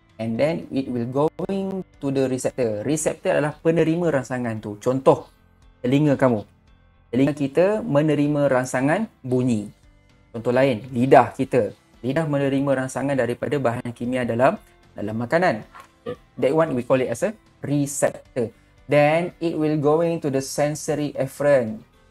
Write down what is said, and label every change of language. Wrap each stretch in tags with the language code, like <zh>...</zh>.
<en>And then it will going to the receptor.</en> <ms>Receptor adalah penerima rangsangan tu. Contoh, telinga kamu. Telinga kita menerima rangsangan bunyi. Contoh lain, lidah kita. Lidah menerima rangsangan daripada bahan kimia dalam makanan.</ms> <en>That one we call it as a receptor. Then it will going to the sensory afferent.</en>